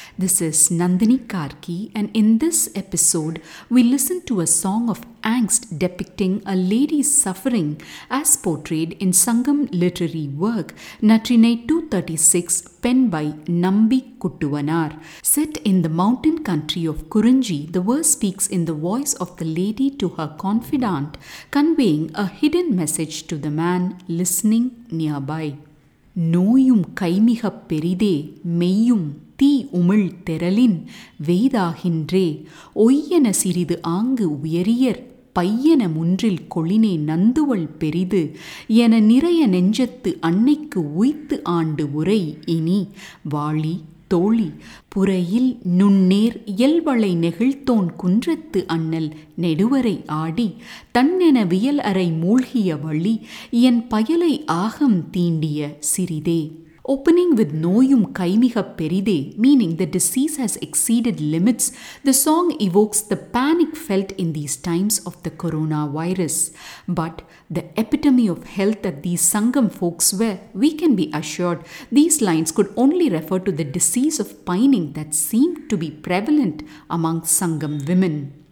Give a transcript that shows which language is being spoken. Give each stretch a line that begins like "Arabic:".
English: This is Nandini Karki, and in this episode, we listen to a song of angst depicting a lady's suffering as portrayed in Sangam literary work Natrinai 236, penned by Nambi Kuttuvanaar. Set in the mountain country of Kurinji, the verse speaks in the voice of the lady to her confidante, conveying a hidden message to the man listening nearby.
Tamil: நோயும் கைமிகப் பெரிதே மெய்யும் தீ உமிழ் தெரலின் வெய்தாகின்றே ஒய்யன சிறிது ஆங்கு உயரியர் பையன முன்றில் கொளினே நந்துவள் பெரிது என நிறைய நெஞ்சத்து அன்னைக்கு உய்த்து ஆண்டு உரை இனி வாளி தோழி புறையில் நுண்ணேர் இயல்வளை நெகிழ்த்தோன் குன்றத்து அண்ணல் நெடுவரை ஆடி தன்னென வியல் அறை மூழ்கிய வழி என் பயலை ஆகம் தீண்டிய சிறிதே.
English: Opening with
Tamil: Noyum Kaimiha Peride,
English: meaning the disease has exceeded limits, the song evokes the panic felt in these times of the coronavirus. But the epitome of health that these Sangam folks were, we can be assured, these lines could only refer to the disease of pining that seemed to be prevalent among Sangam women.